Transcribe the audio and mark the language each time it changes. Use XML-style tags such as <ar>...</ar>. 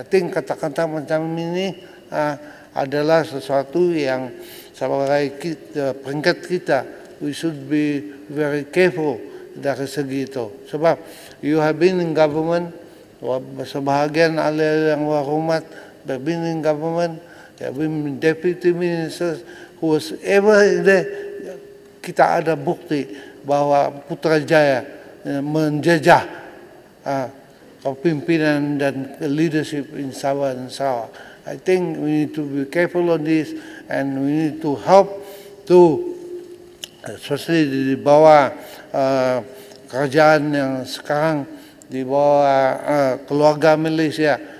<ms>Ting kata-kata macam ini adalah sesuatu yang sebagai peringkat kita</ms> <en>we should be very careful</en> <ms>dari segi itu.</ms> <en>Sebab you have been in government,</en> <ms>sebahagian ahli yang berhormat</ms> <en>been in government, there have been deputy ministers who was ever there.</en> <ms>Kita ada bukti bahwa Putrajaya menjajah kepimpinan dan leadership in Sabah dan Sarawak.</ms> <en>I think we need to be careful on this and we need to help to especially</en> <ms>di bawah kerajaan yang sekarang di bawah keluarga Malaysia.</ms>